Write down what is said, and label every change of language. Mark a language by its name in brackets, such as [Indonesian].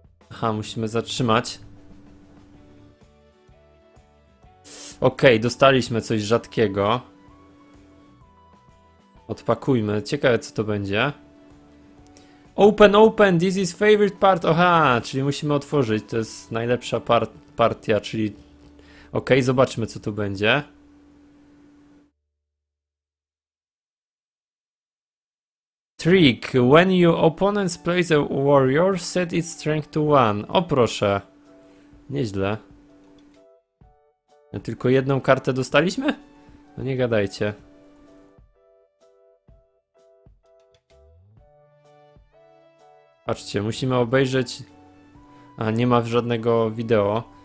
[Polish] Aha, musimy zatrzymać. Okej, okay, dostaliśmy coś rzadkiego. Odpakujmy, ciekawe co to będzie. [English] Open, this is favorite part. [Polish] Aha, czyli musimy otworzyć, to jest najlepsza partia, czyli. Okej, okay, zobaczmy co tu będzie. [English] Trick. When your opponent plays a warrior, set its strength to one. [Polish] O proszę. Nieźle. Tylko jedną kartę dostaliśmy? No nie gadajcie. Patrzcie, musimy obejrzeć. A nie ma żadnego wideo.